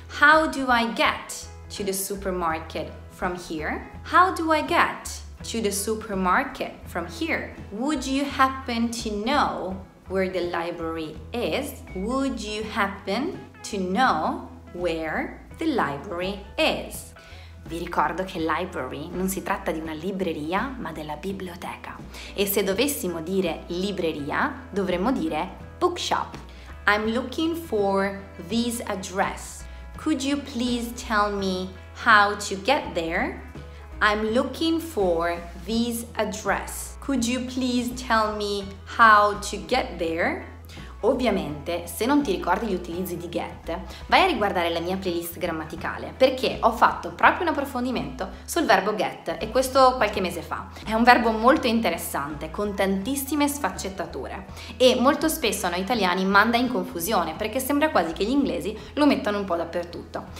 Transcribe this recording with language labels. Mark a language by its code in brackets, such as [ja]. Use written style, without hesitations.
[en] How do I get to the supermarket from here? How do I get to the supermarket from here? Would you happen to know where the library is? Would you happen to know where the library is? [it] Vi ricordo che library non si tratta di una libreria, ma della biblioteca. E se dovessimo dire libreria, dovremmo dire bookshop. [en] I'm looking for this address. Could you please tell me how to get there? I'm looking for this address. Could you please tell me how to get there? [it] Ovviamente, se non ti ricordi gli utilizzi di get, vai a riguardare la mia playlist grammaticale, perché ho fatto proprio un approfondimento sul verbo get, e questo qualche mese fa. È un verbo molto interessante, con tantissime sfaccettature, e molto spesso noi italiani manda in confusione, perché sembra quasi che gli inglesi lo mettano un po' dappertutto.